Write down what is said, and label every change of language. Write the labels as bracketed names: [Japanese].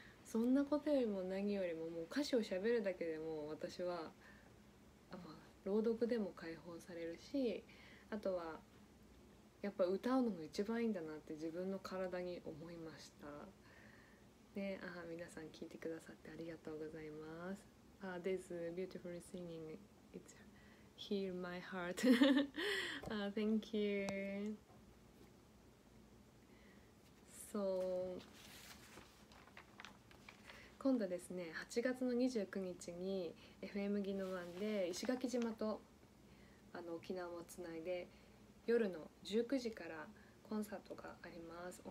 [Japanese] そんなことよりも何よりももう歌詞を喋るだけでも私は朗読でも解放されるし、あとはやっぱ歌うのが一番いいんだなって自分の体に思いました。で、あ、皆さん聞いてくださってありがとうございます。 [English] This beautiful singing it's heal my heart. thank you. [Japanese] So 今度ですね、8月の29日に FM ギノワンで石垣島と沖縄をつないで夜の19時からコンサートがあります。